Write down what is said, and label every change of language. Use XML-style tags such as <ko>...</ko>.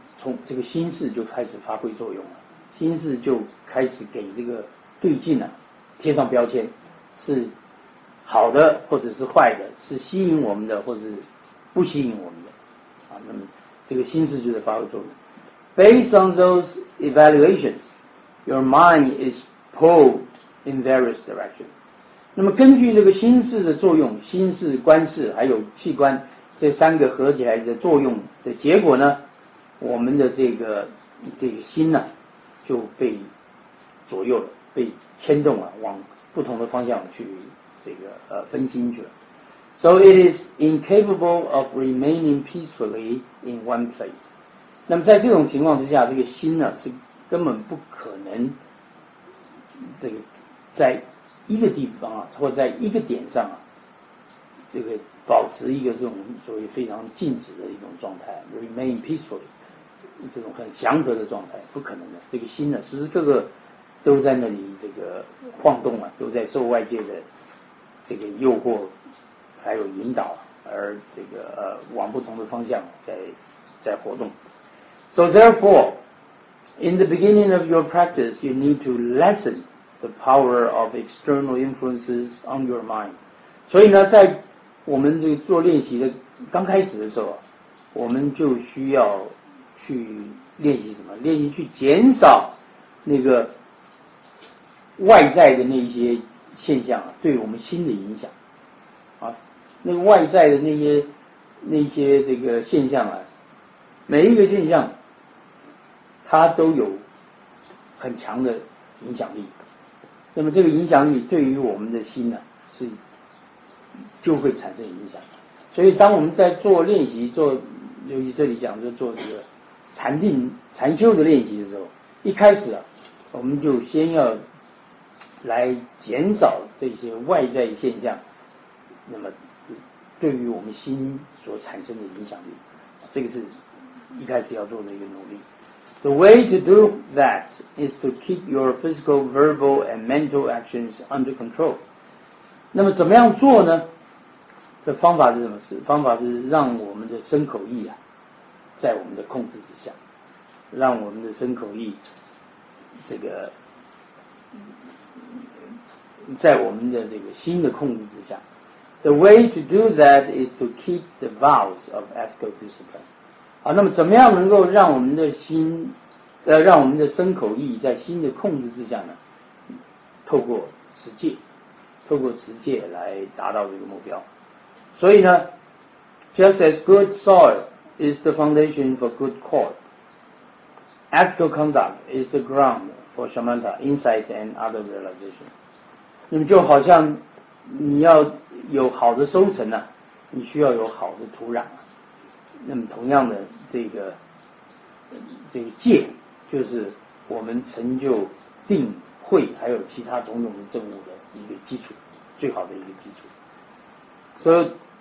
<zh>从这个心识就开始发挥作用了，心识就开始给这个对境啊贴上标签，是好的或者是坏的，是吸引我们的或者是不吸引我们的啊。那么这个心识就在发挥作用。</zh> <en>Based on those evaluations, your mind is pulled in various directions.</en> <zh>那么根据这个心识的作用，心识、观识还有器官这三个合起来的作用的结果呢？我们的这个心呢、啊，就被左右了，被牵动了，往不同的方向去分心去了。</zh> <en>So it is incapable of remaining peacefully in one place.</en> <zh>那么在这种情况之下，这个心呢、啊、是根本不可能这个在一个地方啊，或在一个点上啊，这个保持一个这种所谓非常静止的一种状态 ，</zh> <en>remain peacefully。</en> <zh>这种很祥和的状态不可能的，这个心呢时时刻刻都在那里这个晃动啊，都在受外界的这个诱惑还有引导，而这个往不同的方向在活动。</zh> <en>So therefore in the beginning of your practice you need to lessen the power of external influences on your mind.</en> <zh>所以呢在我们这个做练习的刚开始的时候，我们就需要去练习什么？练习去减少那个外在的那些现象、啊、对我们心的影响啊。那个外在的那些这个现象啊，每一个现象它都有很强的影响力。那么这个影响力对于我们的心呢、啊，是就会产生影响。所以当我们在做练习，做尤其这里讲就做这个。禅定禅修的练习的时候，一开始啊，我们就先要来减少这些外在现象那么对于我们心所产生的影响力，这个是一开始要做的一个努力。</zh> <en>The way to do that is to keep your physical, verbal and mental actions under control.</en> <zh>那么怎么样做呢？这方法是什么？是方法是让我们的身口意啊在我们的控制之下，让我们的身口意这个在我们的这个心的控制之下。</zh> <en>The way to do that is to keep the vows of ethical discipline.</en> <zh>好，那么怎么样能够让我们的心让我们的身口意在心的控制之下呢？透过持戒来达到这个目标。所以呢</zh> <en>Just as good soilis the foundation for good court. Ethical conduct is the ground for shamatha, insight and other realization.</en> <zh>那么就好像你要有好的收成、啊、你需要有好的土壤。那么同样的这个戒就是我们成就定慧还有其他种种的证悟的一个基础，最好的一个基础。So</zh>